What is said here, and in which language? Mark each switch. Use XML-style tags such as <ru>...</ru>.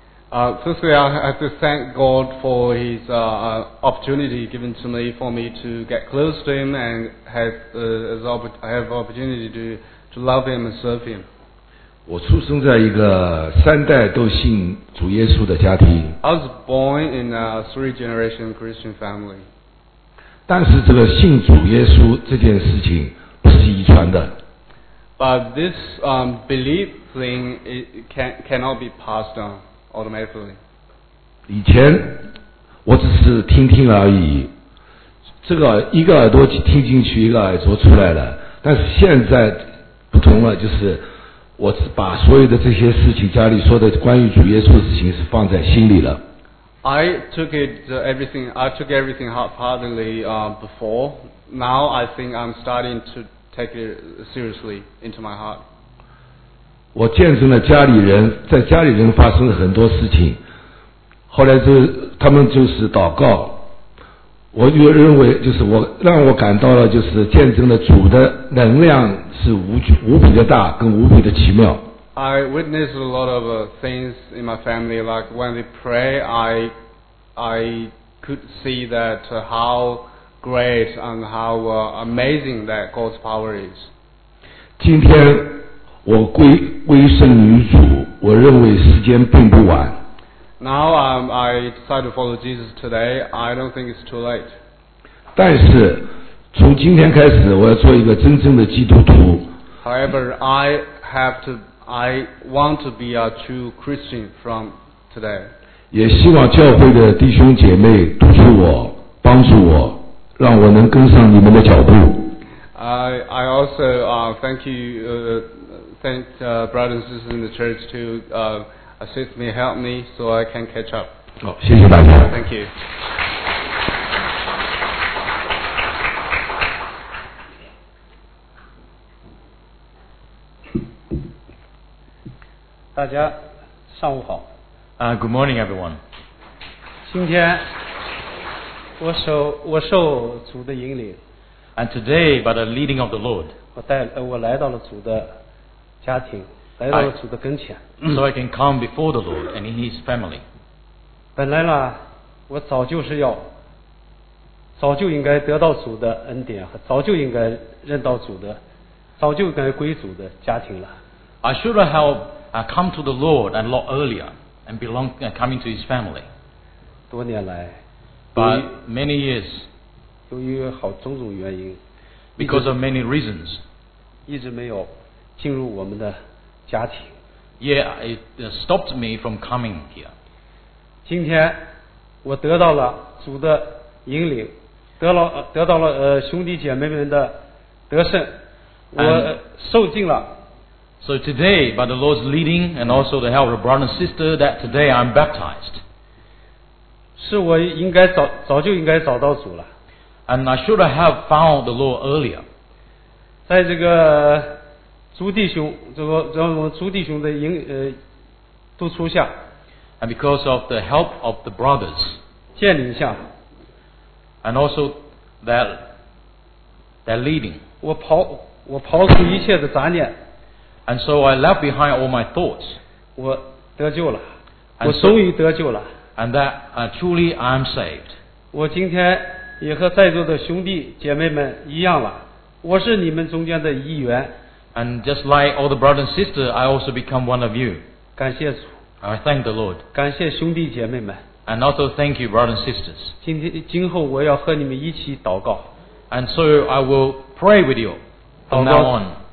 <en>Firstly, I have to thank God for His opportunity given to me for me to get close to Him and have opportunity to love Him and serve Him.</en> <zh>我出生在一个三代都信主耶稣的家庭。</zh> <en>I was born in a three-generation Christian family.</en> <zh>但是这个信主耶稣这件事情不是遗传的。</zh> <en>But this belief thing cannot be passed on automatically.</en> <zh>以前我只是听听而已，这个一个耳朵听进去，一个耳朵出来了。但是现在不同了，就是我是把所有的这些事情，家里说的关于主耶稣的事情是放在心里了。</zh> <en>I took everything half-heartedly before. Now I think I'm starting to take it seriously into my heart.</en> <zh>我见证了家里人，在家里人发生了很多事情，后来就他们就是祷告，我就认为就是我让我感到了就是见证了主的能量是无比的大跟无比的奇妙。</zh> <en>I witnessed a lot of things in my family, like when they pray, I could see that how great and how amazing that God's power is.</en> <zh>今天我归顺于主，我认为时间并不晚。</zh> <en>Now I decide to follow Jesus today. I don't think it's too late.</en> <zh>但是从今天开始，我要做一个真正的基督徒。</zh> <en>However, I want to be a true Christian from today.</en> <zh>也希望教会的弟兄姐妹督促我，帮助我，让我能跟上你们的脚步。</zh> <en>I also thank brothers and sisters in the church to assist me, help me, so I can catch up.</en> <zh>好，谢谢大家。</zh> <en>Thank you.</en> <zh>大家上午好。</zh> <en>Good morning, everyone.</en> <zh>今天我受主的引领。</zh> <en>And today, by the leading of the Lord.</en> <zh>我来到了主的家庭，来到了主的跟前。</zh> <en>So I can come before the Lord and in His family.</en> <zh>本来呢，我早就应该得到主的恩典，早就应该认到主的，早就应该归主的家庭了。</zh> <en>I should have. Come to the Lord a lot earlier and belong coming to His family.</en> <zh>多年来</zh> <en>but many years,</en> <zh>由于好种种原因</zh> <en>because of many reasons,</en> <zh>一直没有进入我们的家庭</zh> <en>yeah, it stopped me from coming here.</en> <zh>今天我得到了主的引领，得到了兄弟姐妹们的得胜，我受尽了。</zh> <en>So today, by the Lord's leading and also the help of the brother and sister, that today I'm baptized.</en> <zh>是我应该早就应该找到主了。</zh> <en>And I should have found the Lord earlier.</en> <zh>在这个朱弟兄，朱弟兄的督促下。</zh> <en>And because of the help of the brothers.</en> <zh>建立下。</zh> <en>And also that leading.</en> <zh>我抛出一切的杂念。</zh> <en>And so I left behind all my thoughts.</en> <zh>我得救了，我终于得救了。</zh> <en>And that truly I'm saved.</en> <zh>我今天也和在座的兄弟姐妹们一样了，我是你们中间的一员。</zh> <en>And just like all the brothers and sisters, I also become one of you.</en> <zh>感谢主。</zh> <en>I thank the Lord.</en> <zh>感谢兄弟姐妹们。</zh> <en>And also thank you, brothers and sisters.</en> <zh>今后我要和你们一起祷告。</zh> <en>And so I will pray with you from now on.</en>